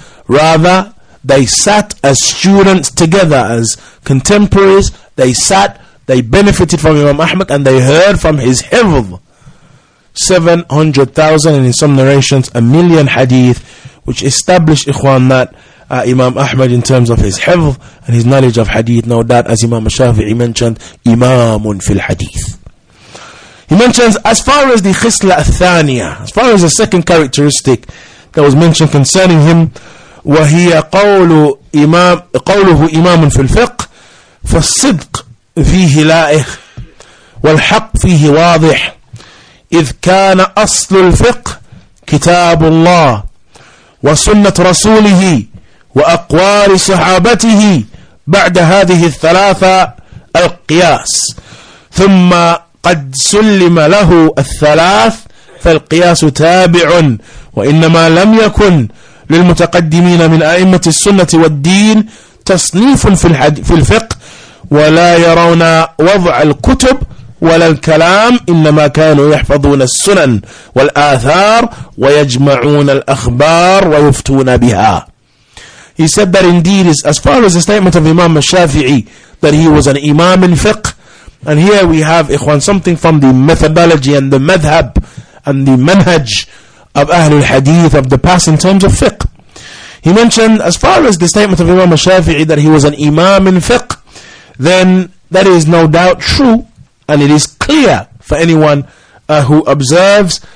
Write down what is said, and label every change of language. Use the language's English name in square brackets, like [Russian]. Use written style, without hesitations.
[English] Rather, they sat as students together, as contemporaries, they benefited from Imam Ahmad and they heard from his hifz 700,000 and in some narrations 1,000,000 hadith, which established, Ikhwan, that Imam Ahmad in terms of his hifz and his knowledge of hadith, no doubt, as Imam Shafi'i mentioned, [Arabic] Imamun fil hadith. [English] He mentions, as far as the khisla athaniya, as far as the second characteristic that was mentioned concerning him, [Arabic] وَهِيَ قَوْلُ إِمَامٌ قَوْلُهُ إِمَامٌ فِي الْفِقْهِ فَالصِّدْقُ فِيهِ لَائِحٌ وَالْحَقُّ فِيهِ وَاضِحٌ إِذْ كَانَ أَصْلُ الْفِقْهِ كِتَابُ اللَّهِ وَسُنَّةُ رَسُولِهِ وَأَقْوَالِ صَحَابَتِهِ بَعْدَ هَذِهِ الثَّلَاثَةِ الْقِيَاسُ ثُمَّ قَدْ سُلِّمَ لَهُ الثَّلَاثُ فَالْقِيَاسُ تَابِعٌ وَإِنَّمَا لَمْ يَكُنْ للمتقدمين من أئمة السنة والدين تصنيف في الفقه ولا يرون وضع الكتب ولا الكلام إنما كانوا يحفظون السنن والآثار ويجمعون الأخبار ويفتون بها. [English] He said that indeed, as far as the statement of Imam al-Shafi'i that he was an Imam in fiqh, and here we have, Ikhwan, something from the methodology and the madhab and the manhaj of Ahlul Hadith, of the past in terms of fiqh. He mentioned, as far as the statement of Imam al-Shafi'i that he was an imam in fiqh, then that is no doubt true, and it is clear for anyone who observes.